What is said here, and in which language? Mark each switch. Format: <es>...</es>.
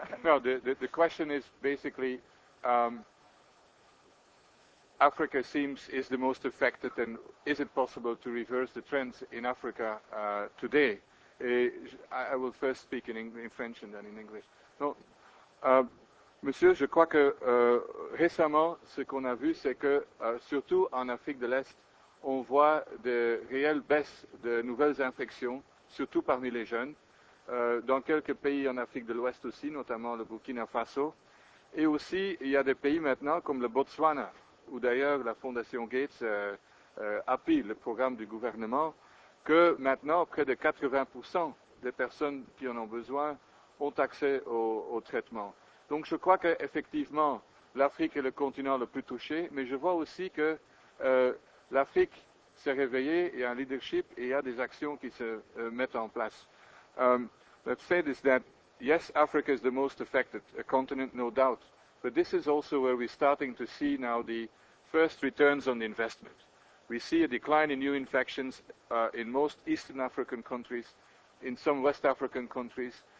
<en>No, the question is basically, Africa is the most affected, and is it possible to reverse the trends in Africa today? I will first speak in French and then in English.</en> <fr>No, monsieur, je crois que récemment, ce qu'on a vu, c'est que surtout en Afrique de l'Est, on voit de réelles baisses de nouvelles infections, surtout parmi les jeunes, dans quelques pays en Afrique de l'Ouest aussi, notamment le Burkina Faso. Et aussi, il y a des pays maintenant comme le Botswana, où d'ailleurs la Fondation Gates appuie le programme du gouvernement, que maintenant près de 80% des personnes qui en ont besoin ont accès au traitement. Donc je crois qu'effectivement, l'Afrique est le continent le plus touché, mais je vois aussi que l'Afrique s'est réveillée, il y a un leadership et il y a des actions qui se mettent en place.</fr> <en>Let's say this, that yes, Africa is the most affected, a continent no doubt, but this is also where we're starting to see now the first returns on the investment. We see a decline in new infections in most Eastern African countries, in some West African countries.</en>